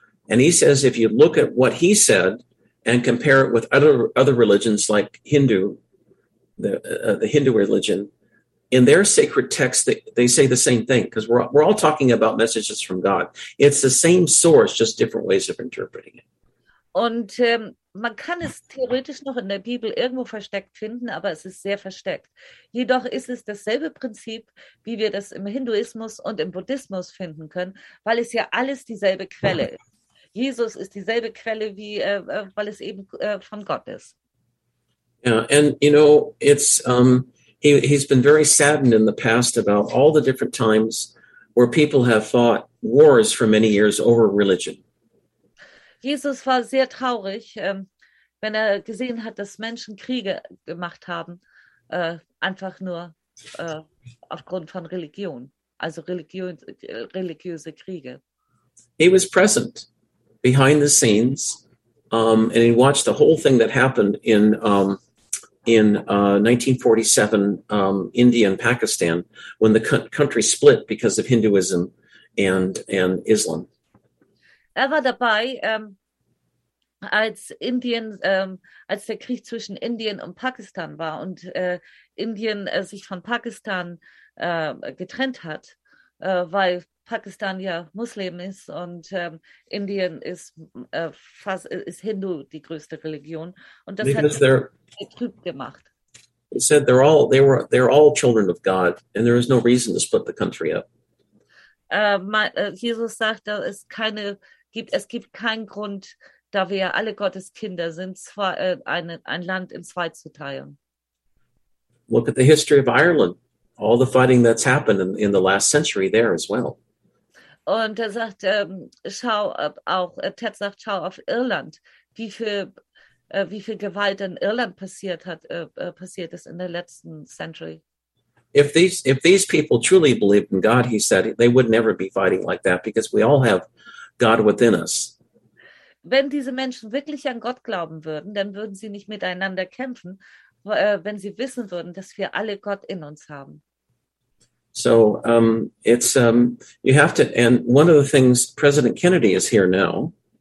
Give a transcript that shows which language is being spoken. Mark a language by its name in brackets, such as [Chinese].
[English] And he says, if you look at what he said and compare it with other religions like Hindu, the Hindu religion, in their sacred texts, they say the same thing, because we're all talking about messages from God. It's the same source, just different ways of interpreting it. [German] Und man kann es theoretisch noch in der Bibel irgendwo versteckt finden, aber es ist sehr versteckt. Jedoch ist es dasselbe Prinzip, wie wir das im Hinduismus und im Buddhismus finden können, weil es ja alles dieselbe Quelle ist. Jesus ist dieselbe Quelle, wie weil es eben von Gott ist. [English] Yeah, and you know, it's he's been very saddened in the past about all the different times where people have fought wars for many years over religion. [German] Jesus war sehr traurig, wenn er gesehen hat, dass Menschen Kriege gemacht haben, einfach nur aufgrund von Religion, also religiöse Kriege. [English] He was present behind the scenes and he watched the whole thing that happened in 1947 India and Pakistan, when the country split because of Hinduism and Islam. [German] Er war dabei, als der Krieg zwischen Indien und Pakistan war und Indien sich von Pakistan getrennt hat, weil Pakistan ja Muslim ist und Indien ist Hindu die größte Religion. Und das [English] Because [German] hat sehr trüb gemacht. [English] He said they're all children of God and there is no reason to split the country up. [German] Jesus sagt, es gibt keinen Grund, da wir ja alle Gottes Kinder sind, ein Land in zwei zu teilen. [English] Look at the history of Ireland. All the fighting that's happened in the last century there as well. [German] Und er sagt, Ted sagt, schau auf Irland, wie viel Gewalt in Irland passiert ist in der letzten Century. [English] If these people truly believed in God, he said, they would never be fighting like that, because we all have God within us. [German] Wenn diese Menschen wirklich an Gott glauben würden, dann würden sie nicht miteinander kämpfen, wenn sie wissen würden, dass wir alle Gott in uns haben. [English] So and one of the things, President Kennedy is here now.